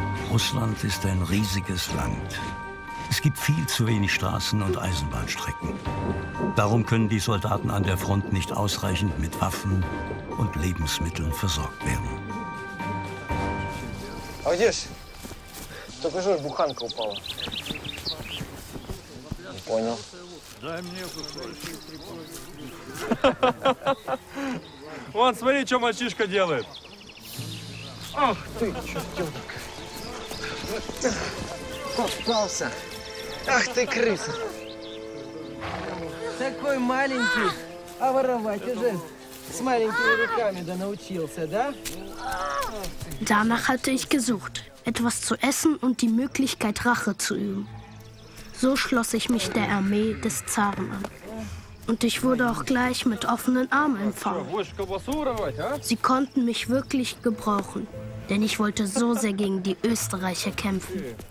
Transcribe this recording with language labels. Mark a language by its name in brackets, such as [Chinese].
[German] Russland ist ein riesiges Land. Es gibt viel zu wenig Straßen und Eisenbahnstrecken. Darum können die Soldaten an der Front nicht ausreichend mit Waffen und Lebensmitteln versorgt werden. [Russian] А где ж? Только что буханка упала. Не понял. Вон, смотри, что мальчишка делает. Ах ты, чертенок. Попался. Ах ты, крыса. Такой маленький, а воровать уже с маленькими руками да научился, да? [German] Danach hatte ich gesucht, etwas zu essen und die Möglichkeit, Rache zu üben. So schloss ich mich der Armee des Zaren an. Und ich wurde auch gleich mit offenen Armen empfangen. Sie konnten mich wirklich gebrauchen, denn ich wollte so sehr gegen die Österreicher kämpfen.